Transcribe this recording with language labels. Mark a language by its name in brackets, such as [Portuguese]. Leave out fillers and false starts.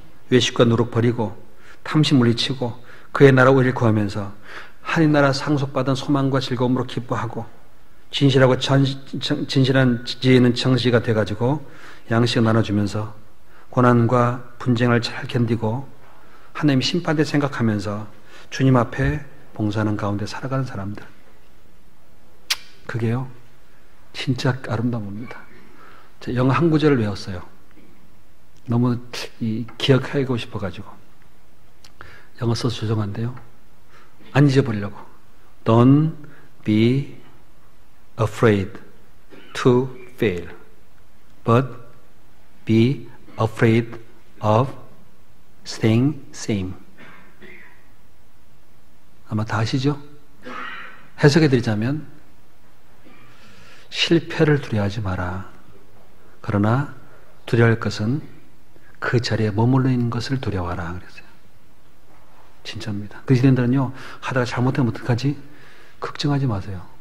[Korean] 외식과 누룩 버리고 탐심 물리치고 그의 나라 의를 구하면서 하나님 나라 상속받은 소망과 즐거움으로 기뻐하고 진실하고 진실한 지혜 있는 정시가 돼가지고 양식 나눠주면서 고난과 분쟁을 잘 견디고 하나님 심판대 생각하면서 주님 앞에 봉사하는 가운데 살아가는 사람들, 그게요 진짜 아름다웁니다. 영어 한 구절을 외웠어요. 너무 기억하고 싶어가지고. 영어 써서 죄송한데요, 안 잊어버리려고. [English] Don't be afraid to fail, but be afraid of staying same. [Korean] 아마 다 아시죠? 해석해드리자면, 실패를 두려워하지 마라. 그러나 두려워할 것은 그 자리에 머물러 있는 것을 두려워하라. 그랬어요. 진짜입니다. 그리스도인들은요, 하다가 잘못하면 어떡하지? 걱정하지 마세요.